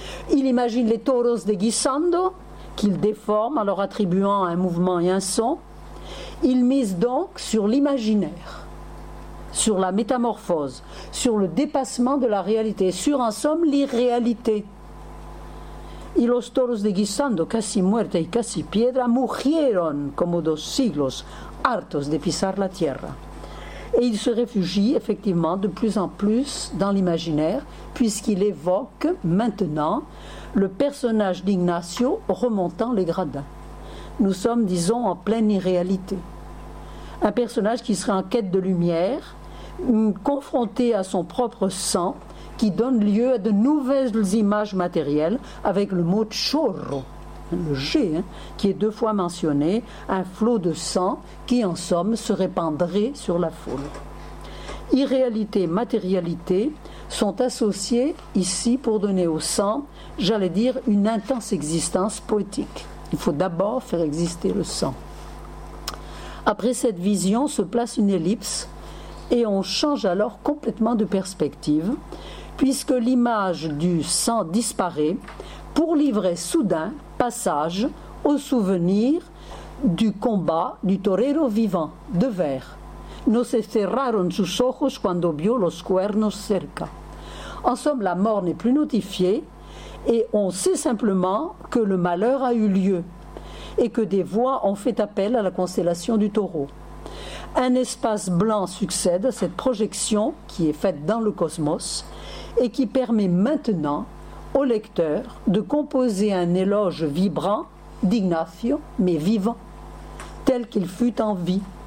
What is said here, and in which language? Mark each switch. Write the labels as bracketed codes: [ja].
[fr] Il imagine les toros déguisando, qu'il déforme en leur attribuant un mouvement et un son. Il mise donc sur l'imaginaire, sur la métamorphose, sur le dépassement de la réalité, sur en somme l'irréalité. [es] Y los toros déguisando, casi muerte y casi piedra, murieron como dos siglos, hartos de pisar la tierra. [fr] Et il se réfugie effectivement de plus en plus dans l'imaginaire, puisqu'il évoque maintenant le personnage d'Ignacio remontant les gradins. Nous sommes, disons, en pleine irréalité. Un personnage qui serait en quête de lumière, confronté à son propre sang, qui donne lieu à de nouvelles images matérielles avec le mot « chorro », le « G », hein, qui est deux fois mentionné, un flot de sang qui, en somme, se répandrait sur la foule. Irréalité, matérialité sont associées ici pour donner au sang, j'allais dire, une intense existence poétique. Il faut d'abord faire exister le sang. Après cette vision se place une ellipse et on change alors complètement de perspective, puisque l'image du sang disparaît pour livrer soudain passage au souvenir du combat du torero vivant de Vert. [es] No se cerraron sus ojos cuando vio los cuernos cerca. [fr] En somme, la mort n'est plus notifiée et on sait simplement que le malheur a eu lieu et que des voix ont fait appel à la constellation du taureau. Un espace blanc succède à cette projection qui est faite dans le cosmos et qui permet maintenant au lecteur de composer un éloge vibrant d'Ignacio, mais vivant, tel qu'il fut en vie.